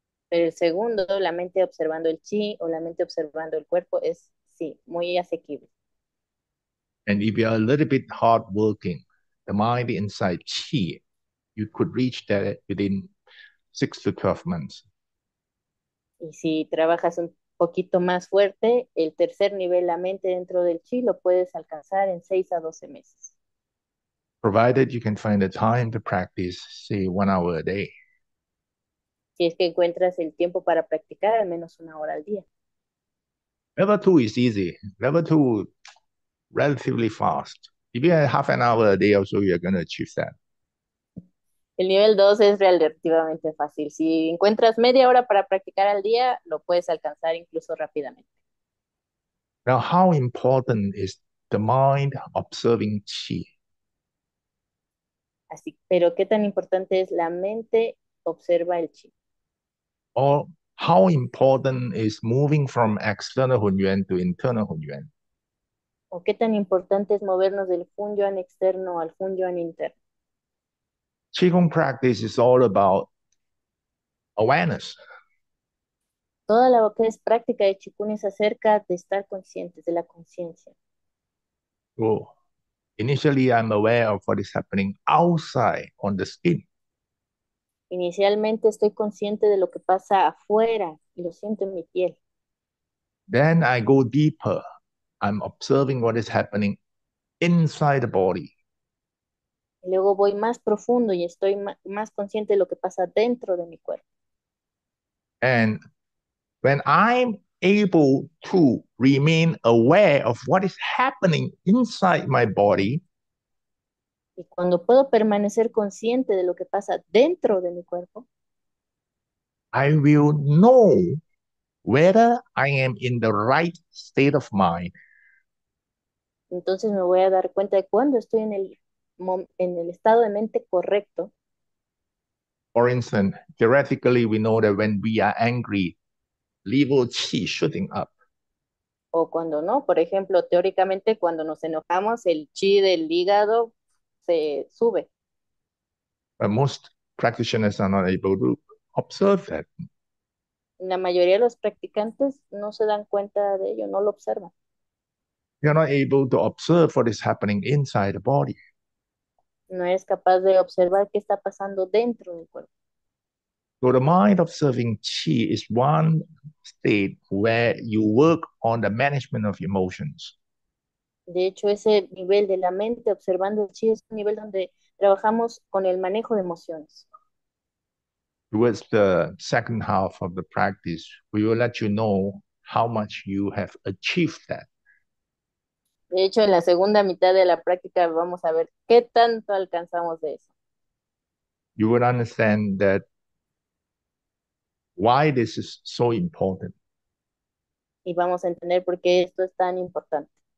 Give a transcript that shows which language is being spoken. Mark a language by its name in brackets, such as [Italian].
[Spanish] Pero el segundo, la mente observando el chi o la mente observando el cuerpo, es sí, muy asequible. [English] And if you are a little bit hardworking, the mind inside qi, you could reach that within 6 to 12 months. [Spanish] Y si trabajas un poquito más fuerte, el tercer nivel, la mente dentro del chi, lo puedes alcanzar en 6 a 12 meses. [English] Provided you can find the time to practice, say, 1 hour a day. [Spanish] Si es que encuentras el tiempo para practicar al menos 1 hora al día. [English] Level two is easy. Level two, relatively fast. If you have half an hour a day or so, you're going to achieve that. [Spanish] El nivel 2 es relativamente fácil. Si encuentras media hora para practicar al día, lo puedes alcanzar incluso rápidamente. [English] Now, how important is The mind observing chi. [Spanish] Así, pero ¿qué tan importante es la mente observa el chi? [English] Or how important is moving from external hunyuan to internal hunyuan? [Spanish] ¿O qué tan importante es movernos del hunyuan externo al hunyuan interno? [English] Qigong practice is all about awareness. [Spanish] Toda lo que es práctica de chikun es acerca de estar conscientes, de la conciencia. Oh. [English] Initially, I'm aware of what is happening outside on the skin. [Spanish] Inicialmente estoy consciente de lo que pasa afuera y lo siento en mi piel. [English] Then I go deeper. I'm observing what is happening inside the body. [Spanish] Luego voy más profundo y estoy más consciente de lo que pasa dentro de mi cuerpo. [English] And when I'm able to remain aware of what is happening inside my body, [Spanish] Y cuando puedo permanecer consciente de lo que pasa dentro de mi cuerpo, [English] I will know whether I am in the right state of mind. [Spanish] entonces me voy a dar cuenta de cuando estoy en el estado de mente correcto. [English] For instance, theoretically, we know that when we are angry, level chi shooting up. [Spanish] O cuando no, por ejemplo, teóricamente, cuando nos enojamos, el chi del hígado se sube. [English] But most practitioners are not able to observe that. [Spanish] La mayoría de los practicantes no se dan cuenta de ello, no lo observan. [English] You're not able to observe what is happening inside the body. [Spanish] No es capaz de observar qué está pasando dentro del cuerpo. [English] So the mind observing qi is one state where you work on the management of emotions. [Spanish] De hecho, ese nivel de la mente observando el chi es un nivel donde trabajamos con el manejo de emociones. [English] Towards the second half of the practice, we will let you know how much you have achieved that. [Spanish] De hecho, en la segunda mitad de la práctica vamos a ver qué tanto alcanzamos de eso. [English] You will understand that. Why this is so important. [Spanish] Y vamos a entender por qué esto es tan importante.